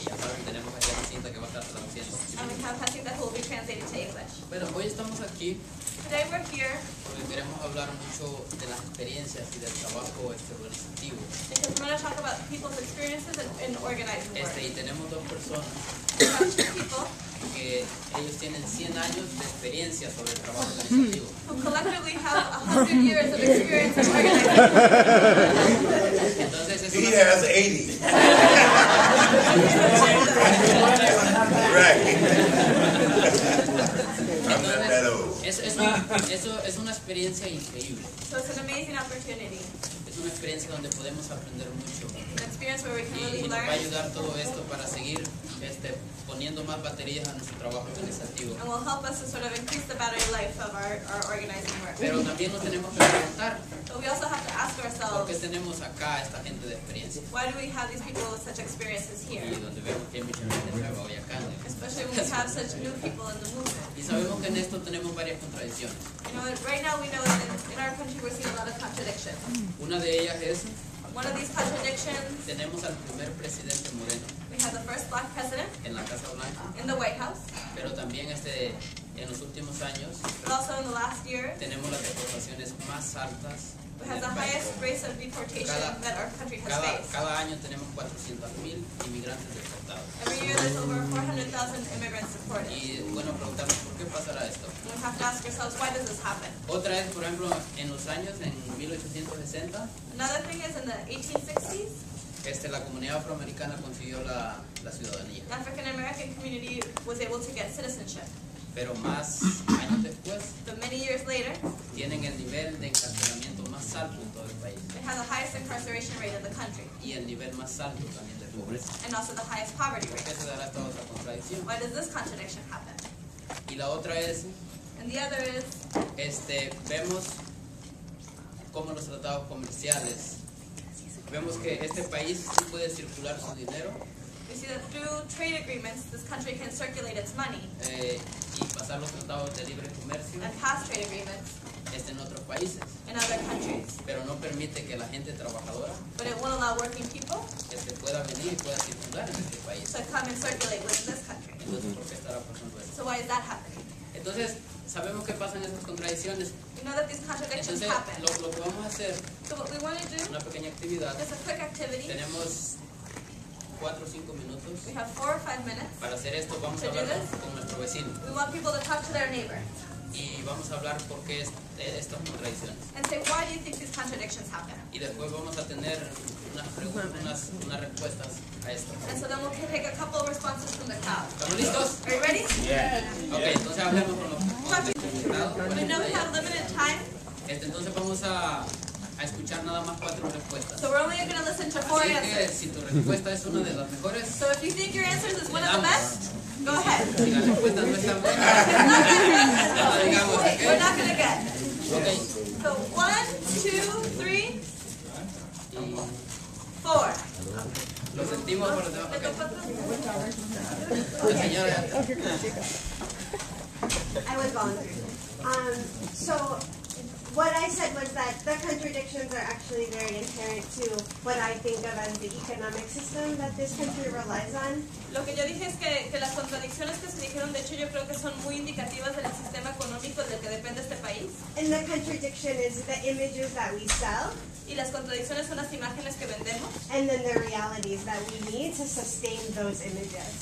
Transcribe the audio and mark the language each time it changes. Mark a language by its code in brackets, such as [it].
[es] Ya saben, tenemos aquí una cinta que va a estar traduciendo. [en] And we have a cinta that will be translated to English. [es] Bueno, hoy estamos aquí. [en] Today we're here. [es] Porque queremos hablar mucho de las experiencias y del trabajo organizativo. [en] Because we're going to talk about people's experiences in organizing work. [es] Y tenemos dos personas. [en] People [es] que ellos tienen 100 años de experiencia sobre el trabajo organizativo. [en] Who collectively have 100 years of experience in organizing. [es] Entonces es he una... has 80. [en] Right. [es] Eso es una experiencia increíble. [en] So it's an amazing opportunity. [es] Es una experiencia donde podemos aprender mucho. [en] An experience where we can really [es] y [en] learn. [es] Y va a ayudar todo esto para seguir poniendo más baterías a nuestro trabajo organizativo. [en] And will help us to sort of increase the battery life of our organizing work. [es] Pero también nos tenemos que preguntar. [en] But we also have to ask ourselves. [es] ¿Por qué tenemos acá esta gente de experiencia? [en] Why do we have these people with such experiences here? [es] Y donde vemos que hay mucha gente nueva hoy acá. [en] Especially when we have such new people in the movement. [es] Y sabemos que en esto tenemos varias contradicciones. [en] You know, right now we know that in our country we're seeing a lot of contradictions. [es] Una de ellas es. [en] One of these contradictions. [es] Tenemos al primer presidente moreno. [en] Has the first black president [es] en la Casa Blanca, [en] in the White House. [es] Pero también en los últimos años, [en] but also in the last year, [es] tenemos las deportaciones más altas. [en] We have the highest rates of deportation that our country has faced. [es] Cada año tenemos 400,000 inmigrantes deportados. [en] Every year there's over 400,000 immigrants deported. [es] Y bueno, preguntarnos por qué pasará esto. [en] We have to ask ourselves, why does this happen? [es] Otra es, por ejemplo, en los años, en 1860. [en] Another thing is in the 1860s. [es] La comunidad afroamericana consiguió la ciudadanía. [en] The African American community was able to get citizenship. [es] Pero más años después, [en] but many years later, [es] tienen el nivel de encarcelamiento más alto en todo el país. [en] They have the highest incarceration rate in the country. [es] Y el nivel más alto también de pobreza. [en] And also the highest poverty rate. [es] ¿Por qué se dará esta otra contradicción? [en] Why does this contradiction happen? [es] Y la otra es, [en] and the other is, [es] vemos cómo los tratados comerciales. Vemos que este país sí puede circular su dinero. [en] We see that through trade agreements, this country can circulate its money. [es] Y pasar los tratados de libre comercio. [en] And pass trade agreements. [es] En otros países. [en] In other countries. [es] Pero no permite que la gente trabajadora. [en] But it won't allow working people. [es] Pueda venir y pueda circular en este país. [en] To come and circulate within this country. [es] Entonces, ¿por qué estará pasando eso? [en] So why is that happening? [es] Entonces, sabemos que pasan esas contradicciones. [en] We know that these contradictions [es] entonces, [en] happen. [es] Lo que vamos a hacer. [en] So what we want to do. [es] Una pequeña actividad. [en] Is a quick activity. [es] Tenemos 4 o 5 minutos. [en] We have 4 or 5 minutes. [es] Para hacer esto vamos a hablar con nuestro vecino. [en] We want people to talk to their neighbor. [es] Y vamos a hablar por qué estas contradicciones. [en] And say why do you think these contradictions happen? [es] Y después vamos a tener unas respuestas a esto. [en] And so then we'll take a couple of responses from the crowd. [es] ¿Estamos listos? [en] Are you ready? Yeah. [es] Okay, entonces hablemos con los. [en] We know we have limited time. [es] Entonces vamos a escuchar nada más 4 respuestas. [en] So we're only going to listen to 4 answers. [es] Si tu respuesta es una de las mejores, [en] so if you think your answer is one of the best, go ahead. [es] Si la respuesta no está buena, [en] it's not going to get. We're not going to get. Okay. So 1, 2, 3, 4. [es] Lo sentimos por debajo. La señora. [en] I was voluntary. So what I said was that the contradictions are actually very inherent to what I think of as the economic system that this country relies on. [es] Lo que yo dije es que las contradicciones que se dijeron, de hecho yo creo que son muy indicativas del sistema económico del que depende este país. [en] And the contradiction is the images that we sell. [es] Y las contradicciones son las imágenes que vendemos. [en] And then the realities that we need to sustain those images.